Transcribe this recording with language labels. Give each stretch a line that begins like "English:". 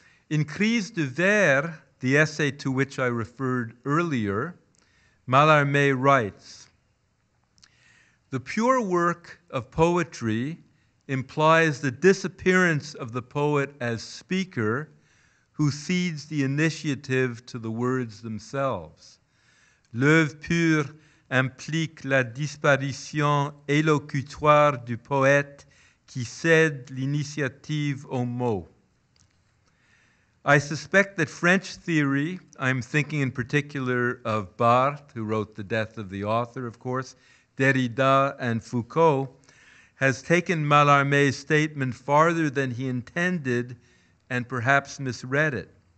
English: In Crise de Vers, the essay to which I referred earlier, Mallarme writes, the pure work of poetry implies the disappearance of the poet as speaker who cedes the initiative to the words themselves.
French: L'œuvre pure implique la disparition élocutoire du poète qui cède l'initiative aux mots.
English: I suspect that French theory, I'm thinking in particular of Barthes, who wrote The Death of the Author, of course, Derrida and Foucault, has taken Mallarmé's statement farther than he intended and perhaps misread it.